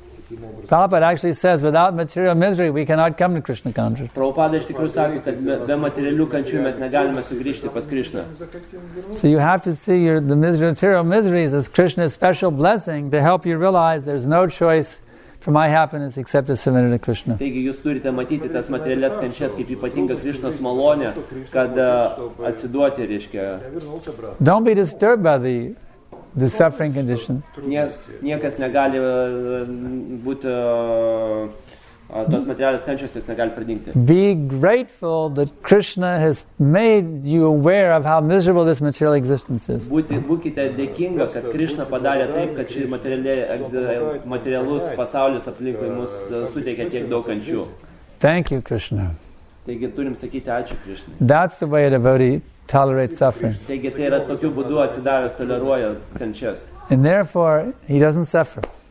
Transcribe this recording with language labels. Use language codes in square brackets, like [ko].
[en] Prabhupada actually says, without material misery, we cannot come to Krishna consciousness. [lt] Prabhupada iš tikrųjų sako, kad be materialių kančių mes negalime sugrįžti pas Krishna. [en] So you have to see the material miseries as Krishna's special blessing to help you realize there's no choice for my happiness except to surrender to Krishna. [lt] Taigi jūs turite matyti tas materialias kančias kaip ypatinga Krishna's malonė, kad atsiduoti, reiškia. [en] Don't be disturbed by the suffering condition. [lt] Niekas negali būti tos materialios kančios, jis negali pradingti. [en] Be grateful that Krishna has made you aware of how miserable this material existence is. [lt] Būkite dėkinga, kad Krishna padarė taip, kad šis materialus pasaulis aplinkui mus suteikia tiek daug kančių. [en] Thank you, Krishna. [lt] Taigi turim sakyti ačiū Krishna. [en] That's the way a devotee tolerate suffering. [lt] Taigi tai yra tokiu būdu atsidavęs toleruoja kančias. [en] And therefore, he doesn't suffer.